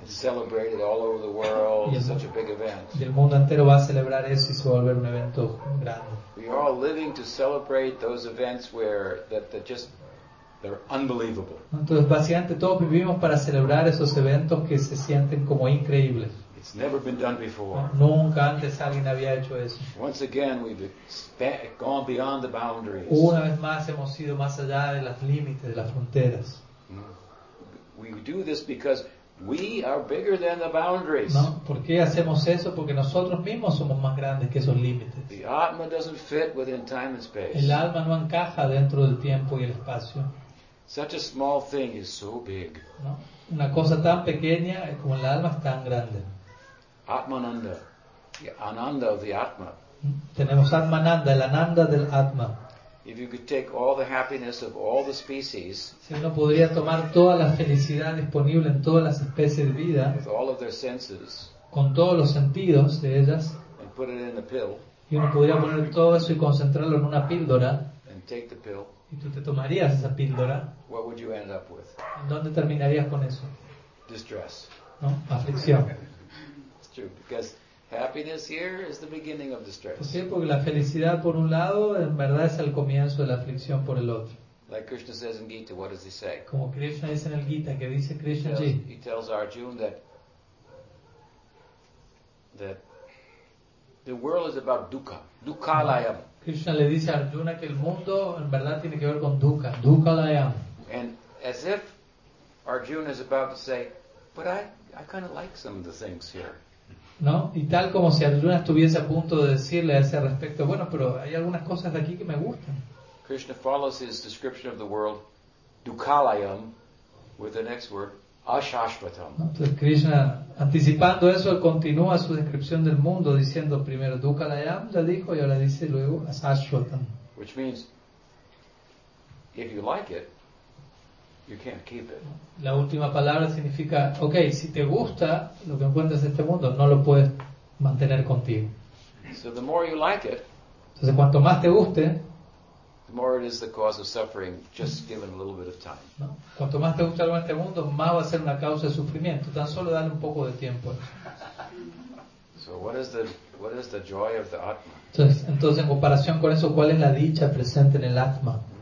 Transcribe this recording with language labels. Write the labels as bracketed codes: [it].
[en] It's celebrated all over the world. It's such a big event. [es] Y el mundo entero va a celebrar eso y se va a volver un evento grande. [en] We are all living to celebrate those events where that just they're unbelievable. [es] Entonces, básicamente todos vivimos para celebrar esos eventos que se sienten como increíbles. [en] It's never been done before. [es] Nunca antes alguien había hecho eso. [en] Once again, we've gone beyond the boundaries. [es] Una vez más hemos ido más allá de los límites, de las fronteras. [en] We do this because we are bigger than the boundaries. [es] ¿No? ¿Por qué hacemos eso? Porque nosotros mismos somos más grandes que esos límites. [en] The Atma doesn't fit within time and space. [es] El alma no encaja dentro del tiempo y el espacio. [en] Such a small thing is so big. [es] ¿No? Una cosa tan pequeña como el alma es tan grande. [en] Atmananda, the ananda of the Atma. [es] Tenemos Atmananda, el ananda del Atma. [en] If you could take all the happiness of all the species, [es] si uno podría tomar toda la felicidad disponible en todas las especies de vida, [en] with all of their senses, [es] con todos los sentidos de ellas, [en] and put it in a pill, [es] y uno podría poner todo eso y concentrarlo en una píldora, [en] and take the pill, [es] y tú te tomarías esa píldora, [en] what would you end up with? [es] ¿En dónde terminarías con eso? [en] Distress. [es] ¿No? Aflicción. [en] Because happiness here is the beginning of distress. [es] Sí, porque la felicidad por un lado en verdad es el comienzo de la aflicción por el otro. [en] Like Krishna says in Gita, what does he say? [es] Como Krishna dice en el Gita, ¿qué dice Krishna? [en] He tells Arjuna that the world is about dukkha, dukkhalayam. [es] Krishna le dice a Arjuna que el mundo en verdad tiene que ver con dukkha, dukkhalayam. [en] And as if Arjuna is about to say, but I kind of like some of the things here. [es] ¿No? Y tal como si Arjuna estuviese a punto de decirle a ese respecto, bueno, pero hay algunas cosas de aquí que me gustan. [en] Krishna follows his description of the world, dukkhalayam, with the next word, ashashvatam. [es] ¿No? Entonces Krishna, anticipando eso, continúa su descripción del mundo diciendo primero dukkhalayam, ya dijo, y ahora dice luego ashashvatam. [en] Which means, if you like it, you can't keep it. [es] La última palabra significa, okay, si te gusta lo que encuentras en este mundo, no lo puedes mantener contigo. [en] So the more you like it, [es] entonces cuanto más te guste, [en] the more it is the cause of suffering, just given a little bit of time. [es] ¿No? Cuanto más te gusta algo en este mundo, más va a ser una causa de sufrimiento. Tan solo dale un poco de tiempo. [en] So what is the joy of the Atma? [es] Entonces, en comparación con eso, ¿cuál es la dicha presente en el Atma?